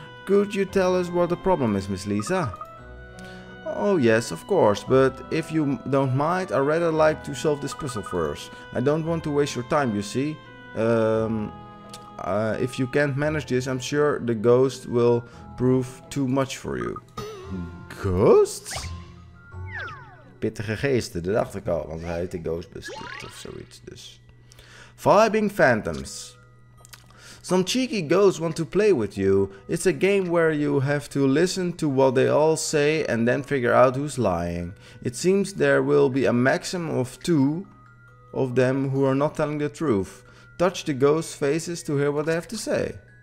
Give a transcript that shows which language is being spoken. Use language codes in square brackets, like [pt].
[en] Could you tell us what the problem is, Miss Lisa? Oh, yes, of course. But if you don't mind, I'd rather like to solve this puzzle first. I don't want to waste your time, you see. If you can't manage this, I'm sure the ghost will prove too much for you. Ghosts? [nl] Pittige geesten, dat dacht ik al, want hij heet de Ghostbusters of zoiets dus. [en] Vibing phantoms. Some cheeky ghosts want to play with you. It's a game where you have to listen to what they all say and then figure out who's lying. It seems there will be a maximum of two of them who are not telling the truth. Touch the ghost's faces to hear what they have to say.